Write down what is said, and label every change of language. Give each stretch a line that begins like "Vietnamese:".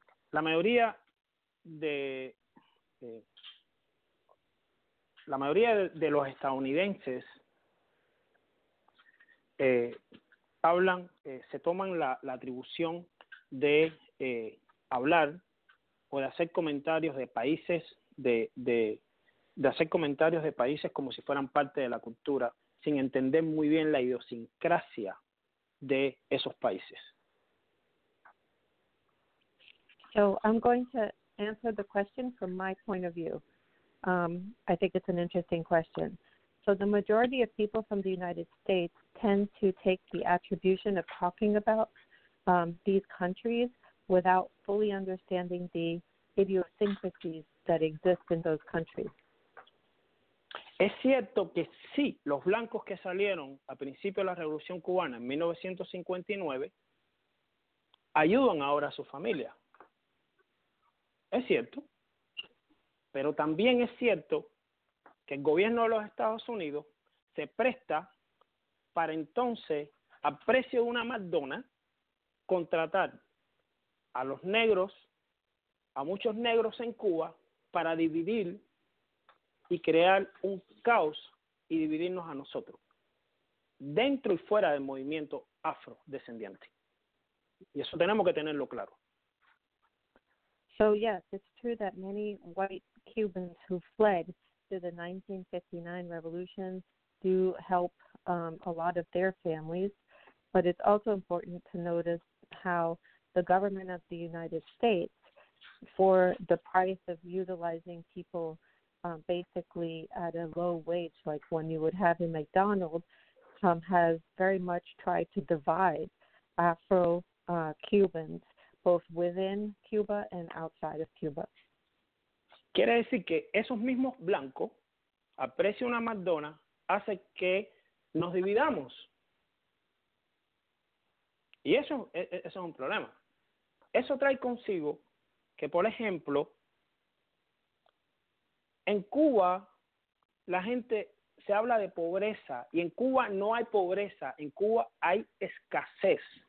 Spanish: La mayoría de los estadounidenses hablan, se toman la atribución de hablar o de hacer comentarios de países de hacer comentarios de países como si fueran parte de la cultura, sin entender muy bien la idiosincrasia de esos países.
English: So I'm going to answer the question from my point of view. I think it's an interesting question. So the majority of people from the United States tend to take the attribution of talking about these countries without fully understanding the idiosyncrasies that exist in those countries.
Spanish: Es cierto que sí, los blancos que salieron a principio de la Revolución Cubana en 1959 ayudan ahora a su familia. Es cierto. Pero también es cierto que el gobierno de los Estados Unidos se presta para entonces, a precio de una McDonald's, contratar a los negros, a muchos negros en Cuba, para dividir y crear un caos y dividirnos a nosotros, dentro y fuera del movimiento afrodescendiente. Y eso tenemos que tenerlo claro.
English: So, yes, it's true that many white Cubans who fled to the 1959 revolution do help a lot of their families, but it's also important to notice how the government of the United States, for the price of utilizing people basically at a low wage, like one you would have in McDonald's, has very much tried to divide Afro-Cubans both within Cuba and outside of Cuba.
Spanish: Quiere decir que esos mismos blancos, a precio de una McDonald's, hace que nos dividamos. Y eso es un problema. Eso trae consigo que, por ejemplo, en Cuba la gente se habla de pobreza, y en Cuba no hay pobreza, en Cuba hay escasez.